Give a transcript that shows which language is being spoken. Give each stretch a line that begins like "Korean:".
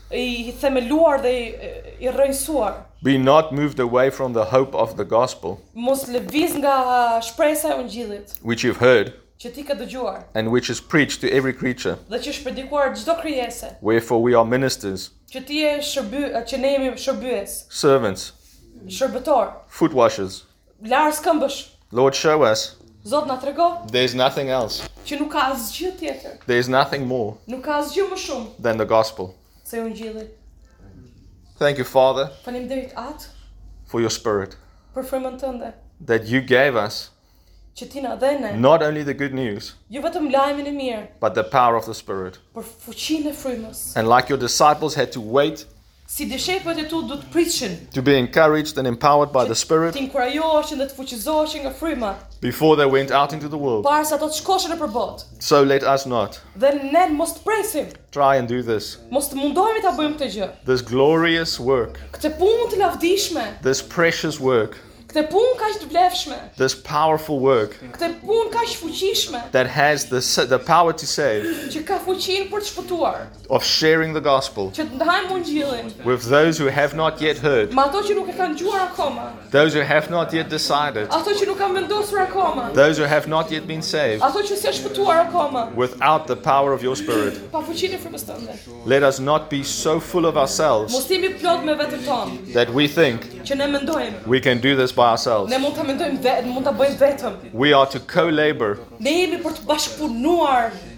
Albanian: I themeluar dhe I rrënjësuar.
English: Be not moved away from the hope of the gospel.
Albanian: Mos lëviz nga shpresa e ungjillit.
English: Which you've heard.
Albanian: Që ti ke dëgjuar.
English: And which is preached to every creature.
Albanian: Dhe që është predikuar çdo krijese.
English: Wherefore we are ministers.
Albanian: Që ti je që ne jemi shërbyes.
English: Servants.
Albanian: Shërbëtor.
English: Foot washers.
Albanian: Lars këmbësh.
English: Lord, show us.
Albanian: Zot na trego.
English: There is nothing else.
Albanian: Që nuk ka asgjë tjetër.
English: There is nothing more.
Albanian: Nuk ka asgjë më shumë.
English: Than the gospel.
Albanian: Se ungjilli.
English: Thank you, Father.
Albanian: Faleminderit At.
English: For your spirit.
Albanian: Për frymën tënde.
English: That you gave us.
Albanian: Që ti na dhe ne.
English: Not only the good news.
Albanian: Jo vetëm lajmin e mirë.
English: But the power of the spirit.
Albanian: Për fuqinë e frymës.
English: And like your disciples had to wait.
Albanian: Si dëshepët e tu do të pritshin.
English: To be encouraged and empowered by the Spirit.
Albanian: Të inkurajoheshin dhe të fuqizoheshin nga fryma.
English: Before they went out into the world.
Albanian: Para se ato të shkoshin nëpër botë.
English: So let us not.
Albanian: Dhe ne mos të presim.
English: Try and do this.
Albanian: Mos të mundohemi ta bëjmë këtë gjë.
English: This glorious work.
Albanian: Këtë punë të lavdishme.
English: This precious work.
Albanian: Këtë punë kaq të vlefshme.
English: This powerful work.
Albanian: Këtë punë kaq fuqishme.
English: That has the power to save.
Albanian: Që ka fuqinë për të shpëtuar.
English: Of sharing the gospel.
Albanian: Që të ndajmë ungjillin.
English: With those who have not yet heard.
Albanian: Me ato që nuk e kanë dëgjuar akoma.
English: Those who have not yet decided.
Albanian: Ato që nuk kanë vendosur akoma.
English: Those who have not yet been saved.
Albanian: Ato që s'janë shpëtuar akoma.
English: Without the power of your spirit.
Albanian: Pa fuqinë frymës tënde.
English: Let us not be so full of ourselves.
Albanian: Mos jemi plot me veten tonë.
English: That we think.
Albanian: Që ne mendojmë.
English: We can do this by ourselves.
Albanian: Ne mund ta mendojmë vetëm, mund ta bëjmë vetëm.
English: We are to co-labor.
Albanian: Ne jemi për të bashkëpunuar.